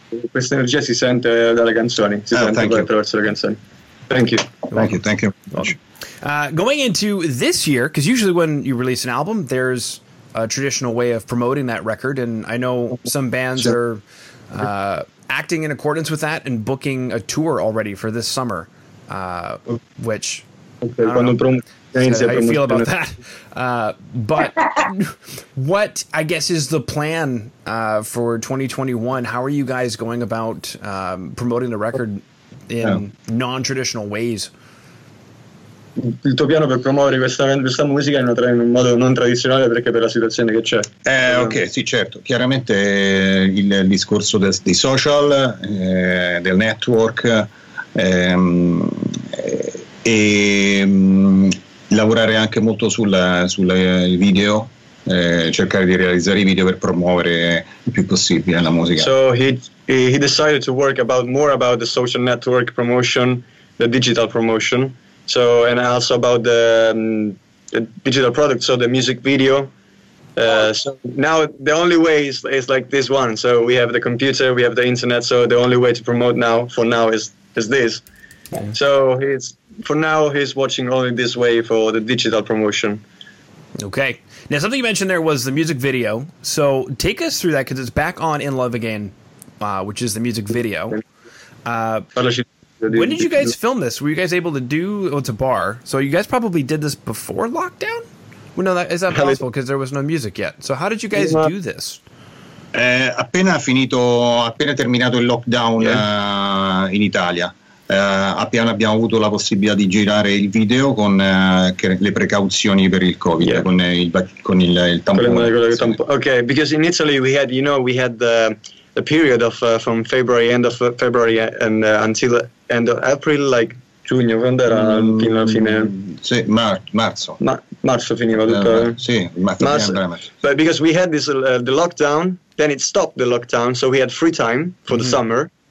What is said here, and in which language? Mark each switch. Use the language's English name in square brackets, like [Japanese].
[Italian] Questa energia si sente dalle canzoni, attraverso le canzoni. [English] Thank you. Going into this year, because usually when you release an album, there's a traditional way of promoting that record, and I know some bands are acting in accordance with that and booking a tour already for this summer, which okay, I don't know. How you feel about that? But what, I guess, is the plan for 2021? How are you guys going about promoting the record in non-traditional ways? [Italian] Il tuo piano per promuovere questa musica in un modo non tradizionale, perché per la situazione che c'è. Ok, sì, certo. Chiaramente il discorso dei social, del network, lavorare anche molto sul video, cercare di realizzare i video per promuovere il più possibile la musica. [English] So he decided to work more about the social network promotion, the digital promotion. So, and also about the digital product, so the music video. So now the only way is like this one. So we have the computer, we have the internet. So the only way to promote now, for now, is this. Mm-hmm. So he's watching only this way for the digital promotion. Okay. Now, something you mentioned there was the music video. So take us through that, because it's back on In Love Again, which is the music video. When did you guys film this? Were you guys able to do it's a bar? So you guys probably did this before lockdown? Well, no, is that possible? Because there was no music yet. So how did you guys do this? [Italian] Appena terminato il lockdown in Italia. Appena abbiamo avuto la possibilità di girare il video con le precauzioni per il Covid, con il tampone. [English] Ok, because in Italy we had, you know, we had the period of from February, end of February, and until end of April, like [Italian] giugno, quando era fino alla fine? Sì, marzo. Marzo finiva tutto. Sì, marzo. Marzo. [English] But because we had this the lockdown, then it stopped the lockdown, so we had free time for the summer.